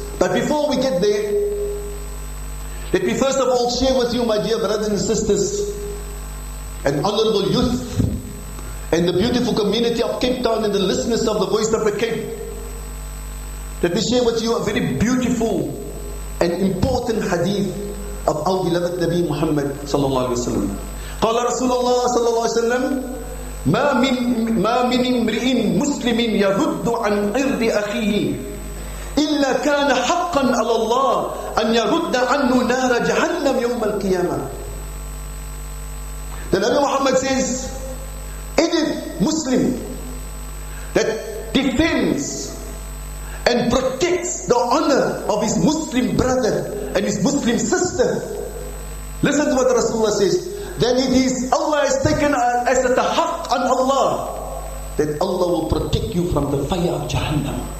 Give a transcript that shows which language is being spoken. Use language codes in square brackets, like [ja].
[en] But before we get there, let me first of all share with you, my dear brothers and sisters, and honorable youth, and the beautiful community of Cape Town, and the listeners of the Voice of the Cape. Let me share with you a very beautiful and important hadith of our beloved Nabi Muhammad sallallahu alaihi wasallam. [ar] Qala Rasulullah sallallahu alaihi wasallam, ما من امرئ مسلم يرد عن إرض أخيه إلا كان حقا على الله أن يرد عنه نار جهنم يوم القيامة. [en] The Nabi Muhammad says, any Muslim that defends and protects the honor of his Muslim brother and his Muslim sister, listen to what Rasulullah says, then it is Allah has taken as a haq on Allah, that Allah will protect you from the fire of Jahannam.